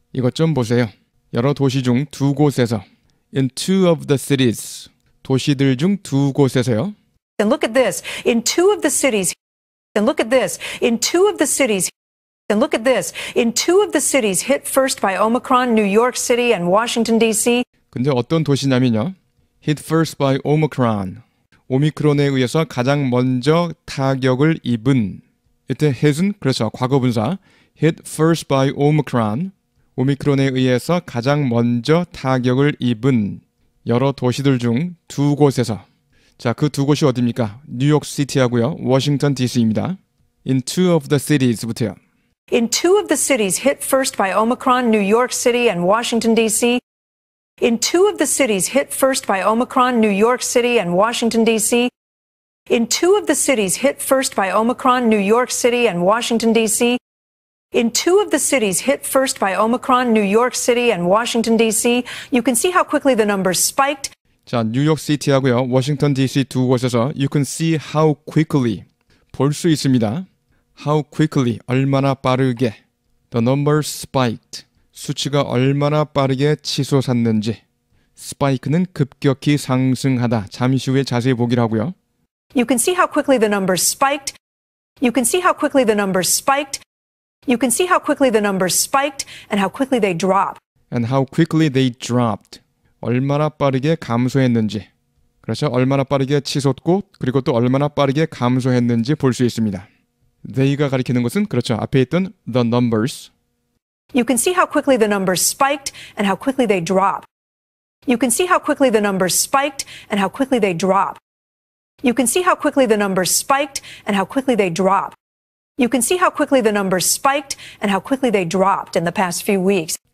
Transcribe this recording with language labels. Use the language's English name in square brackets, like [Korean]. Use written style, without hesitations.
[Korean] 이것 좀 보세요. 여러 도시 중 두 곳에서. [English] In two of the cities. [Korean] 도시들 중 두 곳에서요. [English] And look at this. In two of the cities. And look at this. In two of the cities. And look at this. In two of the cities hit first by Omicron, New York City and Washington, D.C. [Korean] 근데 어떤 도시냐면요. [English] Hit first by Omicron. [Korean] 오미크론에 의해서 가장 먼저 타격을 입은. 이때 [English] hit은 [Korean] 그렇죠. 과거분사. [English] Hit first by Omicron. [Korean] 오미크론에 의해서 가장 먼저 타격을 입은. 여러 도시들 중 두 곳에서. 자, 그 두 곳이 어디입니까? 뉴욕 시티하고요. 워싱턴 DC입니다. [English] In two of the cities부터요. In two of the cities hit first by Omicron, New York City and Washington DC. In two of the cities hit first by Omicron, New York City and Washington DC. In two of the cities hit first by Omicron, New York City and Washington DC. In two of the cities hit first by Omicron, New York City and Washington DC. You can see how quickly the numbers spiked. [Korean] 자, 뉴욕 시티하고요. 워싱턴 DC 두 곳에서 [English] you can see how quickly [Korean] 볼 수 있습니다. [English] How quickly [Korean] 얼마나 빠르게 [English] the numbers spiked [Korean] 수치가 얼마나 빠르게 치솟았는지. Spike는 급격히 상승하다. 잠시 후에 자세히 보기로 하고요. [English] You can see how quickly the numbers spiked. You can see how quickly the numbers spiked. You can see how quickly the numbers spiked and how quickly they dropped. And how quickly they dropped. [Korean] 얼마나 빠르게 감소했는지. 그렇죠. 얼마나 빠르게 치솟고 그리고 또 얼마나 빠르게 감소했는지 볼 수 있습니다. they가 가리키는 것은 그렇죠. 앞에 있던 [English] the numbers. You can see how quickly the numbers spiked and how quickly they drop. You can see how quickly the numbers spiked and how quickly they drop. You can see how quickly the numbers spiked and how quickly they drop. You can see how quickly the numbers spiked and how quickly they dropped in the past few weeks.